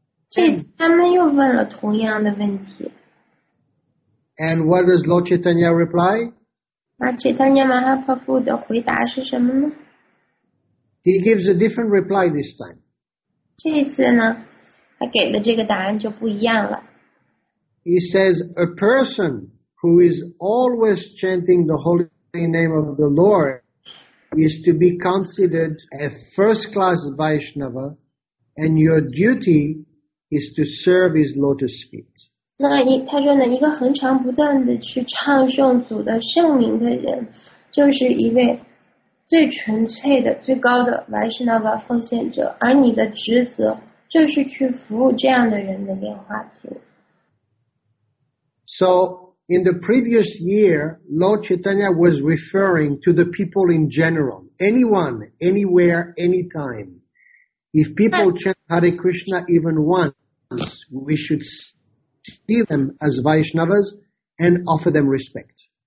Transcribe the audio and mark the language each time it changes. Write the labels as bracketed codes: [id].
[zh] 这他们又问了同样的问题。 [en] And what does Lord Chaitanya reply? [zh] 那 Chaitanya Mahaprabhu 的回答是什么呢？ [en] He gives a different reply this time. [zh] 这一次呢？他给的这个答案就不一样了。 [en] He says, a person who is always chanting the holy name of the Lord is to be considered a first-class Vaishnava, and your duty is to serve his lotus feet. [zh] 那他说呢，一个恒常不断的去唱诵主的圣名的人，就是一位最纯粹的、最高的 Vaishnava 奉献者，而你的职责就是去服务这样的人的莲花足。 [en] So in the previous year, Lord Chaitanya was referring to the people in general, anyone, anywhere, anytime. If people chant Hare Krishna even once, we should see them as Vaishnavas and offer them respect.